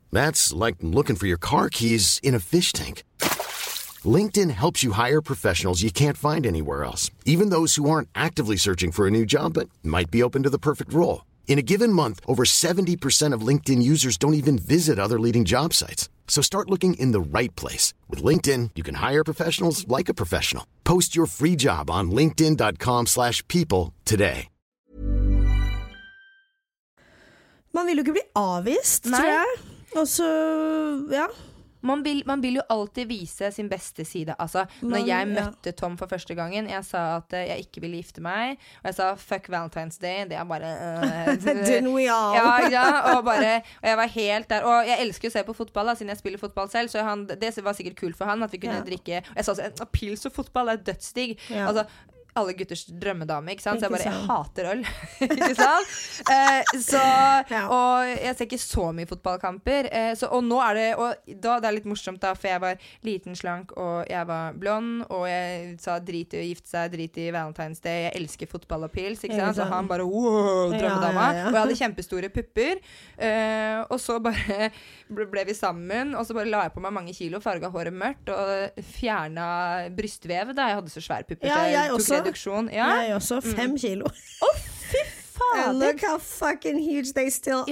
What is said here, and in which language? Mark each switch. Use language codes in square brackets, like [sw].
[en] That's like looking for your car keys in a fish tank. LinkedIn helps you hire professionals you can't find anywhere else, even those who aren't actively searching for a new job but might be open to the perfect role. In a given month, over 70% of LinkedIn users don't even visit other leading job sites. So start looking in the right place. With LinkedIn, you can hire professionals like a professional. Post your free job on linkedin.com/people today. [no] Man vil jo ikke bli avvist, Nei. Tror jeg. Og så, ja. Man vil jo alltid vise sin beste side. Altså, når jeg møtte ja. Tom for første gangen, jeg sa at jeg ikke ville gifte meg, og jeg sa, fuck Valentine's Day, det er bare... [en] Didn't we all? [no] Ja, ja, og bare... Og jeg var helt der, og jeg elsker å se på fotball, da, siden jeg spiller fotball selv, så han, det var sikkert kul for han, at vi kunne ja. Drikke... Og jeg sa sånn, pils og fotball er dødsdig. Ja. Altså... Alle gutters drømmedame, ikke sant? Så jeg bare, jeg hater øl, ikke sant? Så, og jeg ser ikke så mye fotballkamper. Så, og nå er det, og da det er litt morsomt da, for jeg var liten slank, og jeg var blond, og jeg sa drit i å gifte seg, drit i Valentine's Day, jeg elsker fotball og pils, ikke sant? Så han bare, wow, drømmedame. Ja, ja, ja. Og jeg hadde kjempestore pupper. Og så bare ble vi sammen, og så bare la jeg på meg mange kilo, farget håret mørkt, og fjernet brystvevet da, jeg hadde så svære pupper. Ja, jeg også. Reduksjon, ja. Jeg er også 5 mm. kilo. Åh, oh, fy faen! [en] And look how fucking huge they still are,